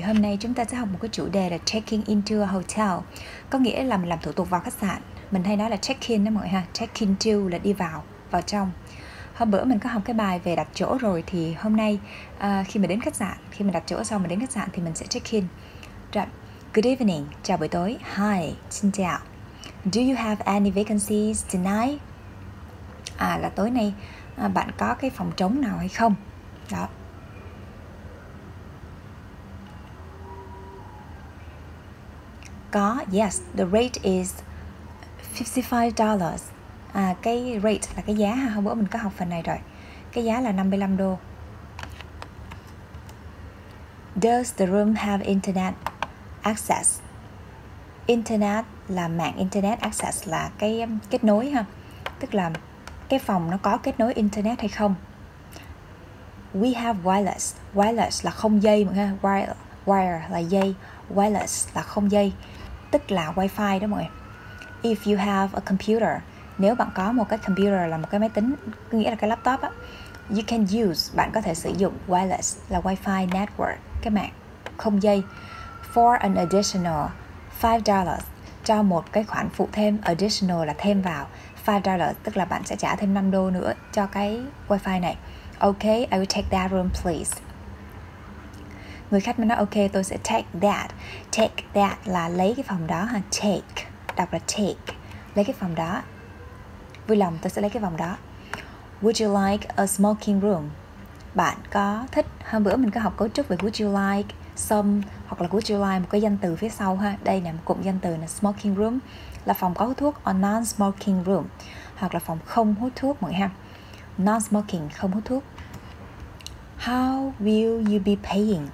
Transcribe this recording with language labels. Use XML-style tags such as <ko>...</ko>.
<vi>Hôm nay chúng ta sẽ học một cái chủ đề là</vi> <en>checking into a hotel.</en> <vi>Có nghĩa là mình làm thủ tục vào khách sạn. Mình hay nói là check in đó mọi người ha. Check into là đi vào, vào trong. Hôm bữa mình có học cái bài về đặt chỗ rồi. Thì hôm nay khi mình đến khách sạn, khi mình đặt chỗ xong mình đến khách sạn thì mình sẽ check in. Rồi.</vi> <en>Good evening,</en> <vi>chào buổi tối. Hi, xin chào.</vi> <en>Do you have any vacancies tonight?</en> <vi>À là tối nay bạn có cái phòng trống nào hay không? Đó. Có,</vi> <en>yes, the rate is $55.</en> <vi>À, cái rate là cái giá ha. Hôm bữa mình có học phần này rồi. Cái giá là 55 đô.</vi> <en>Does the room have internet access?</en> <vi>Internet là mạng internet, access là cái kết nối ha. Tức là cái phòng nó có kết nối internet hay không.</vi> <en>We have wireless.</en> <vi>Wireless là không dây mọi người. Wire là dây. Wireless là không dây, tức là wifi đó mọi người.</vi> <en>If you have a computer,</en> <vi>nếu bạn có một cái computer là một cái máy tính, nghĩa là cái laptop á,</vi> <en>you can use,</en> <vi>bạn có thể sử dụng wireless là wifi network, cái mạng không dây,</vi> <en>for an additional $5,</en> <vi>cho một cái khoản phụ thêm, additional là thêm vào, $5 tức là bạn sẽ trả thêm 5 đô nữa cho cái wifi này.</vi> <en>Okay, I will take that room please.</en> <vi>Người khách mới nói ok, tôi sẽ</vi> <en>take that.</en> <vi>Take that là lấy cái phòng đó ha. Take, đọc là take, lấy cái phòng đó. Vui lòng, tôi sẽ lấy cái phòng đó.</vi> <en>Would you like a smoking room?</en> <vi>Bạn có thích, hôm bữa mình có học cấu trúc về</vi> <en>would you like some,</en> <vi>hoặc là would you like một cái danh từ phía sau ha. Đây nè, một cụm danh từ là smoking room, là phòng có hút thuốc,</vi> <en>or non-smoking room,</en> <vi>hoặc là phòng không hút thuốc mọi người ha.</vi> <en>Non-smoking,</en> <vi>không hút thuốc.</vi> <en>How will you be paying?</en>